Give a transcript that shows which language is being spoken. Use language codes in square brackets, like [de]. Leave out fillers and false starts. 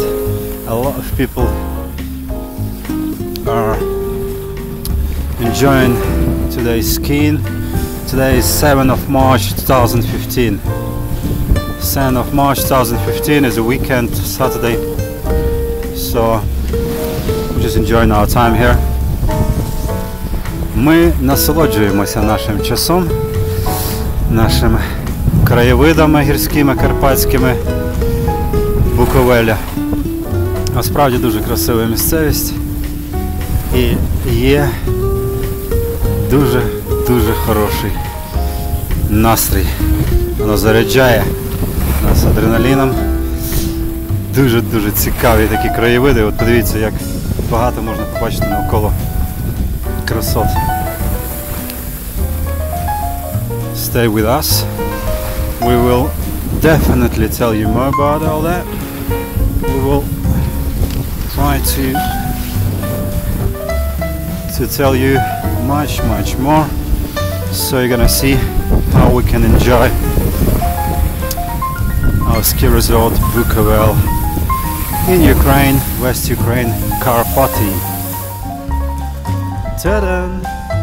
[en] A lot of people are enjoying today's skiing. Today is 7th of March 2015 is a weekend, Saturday, so we're just enjoying our time here. [uk] Ми насолоджуємося нашим часом, нашими краєвидами гірськими, карпатськими, Буковеля. Насправді дуже красива місцевість і є дуже-дуже хороший настрій. Воно заряджає нас адреналіном. Дуже-дуже цікаві такі краєвиди. От подивіться, як багато можна побачити навколо красот. [en] Stay with us. We will definitely tell you more about all that. We will try to tell you much more, so you're gonna see how we can enjoy our ski resort Bukovel in Ukraine, West Ukraine, Carpathian. Ta-da!